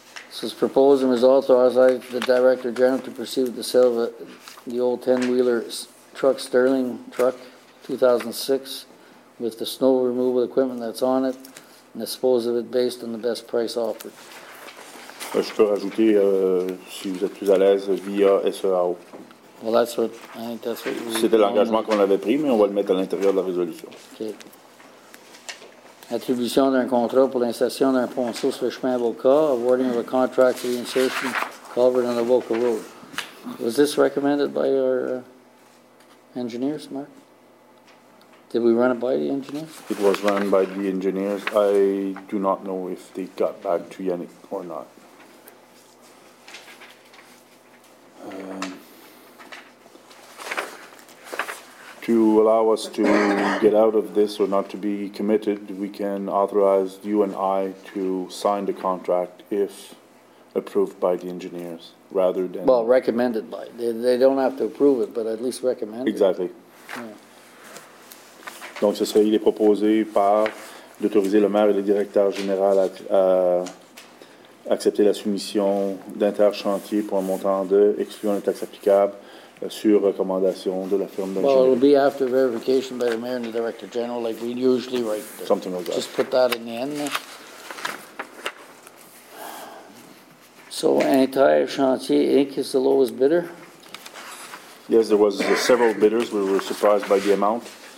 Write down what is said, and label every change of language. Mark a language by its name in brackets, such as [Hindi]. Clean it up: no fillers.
[English] So it's proposed and resolved to authorize the Director General to proceed with the sale of the old 10-wheeler truck, Sterling truck, 2006, with the snow removal equipment that's on it, and dispose of it based on the best price offered. [French] Je peux rajouter, si vous êtes plus à l'aise, via SEAO. [English] Well, that's what, I think that's what we... [French] C'était l'engagement qu'on avait pris, mais on va le mettre à l'intérieur de la résolution. OK. Attribution d'un contrat pour l'installation d'un ponceau sur le chemin Avoca, [English] awarding of a contract for the insertion covered on the Avoca Road. Was this recommended by our engineers, Mark? Did we run it by the engineers? It was run by the engineers. I do not know if they got back to Yannick or not. To allow us to get out of this or not to be committed, we can authorize you and I to sign the contract if approved by the engineers, rather than... Well, recommended by. They don't have to approve it, but at least recommend exactly. It. Exactly. Yeah. [French] Donc, ce serait, il est proposé par d'autoriser le maire et le directeur général à accepter la soumission d'Interchantier pour un montant de, excluant les taxes applicables, sur recommandation de la firme d'ingénierie. [English] Well, it'll be after verification by the mayor and the director general, like we usually write. There. Something like that. Just put that in the end. So, Interchantier Inc. is the lowest bidder? Yes, there was several bidders. We were surprised by the amount.